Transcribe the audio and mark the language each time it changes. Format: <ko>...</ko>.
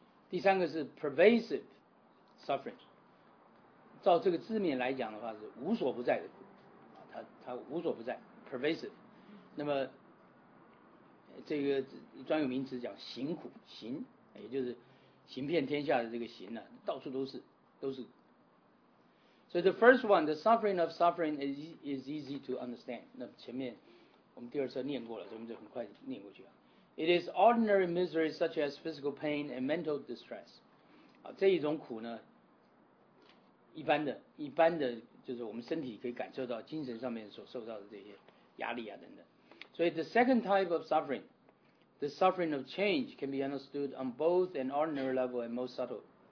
<zh>第三个是</zh> <en>pervasive suffering，</en> <zh>照这个字面来讲的话是无所不在的苦，它无所不在 pervasive。那么这个专有名词讲行苦，行也就是行遍天下的这个行、啊、到处都是。</zh> <en>So the first one, the suffering of suffering is easy to understand.</en> <zh>那前面我们第二次念过了，所以我们就很快念过去了。</zh> <en>It is ordinary misery such as physical pain and mental distress.</en> <zh>啊，这一种苦呢，一般的就是我们身体可以感受到精神上面所受到的这些压力啊等等。</zh> <en>So the second type of suffering, the suffering of change, can be understood on both an ordinary level and most subtle.</en>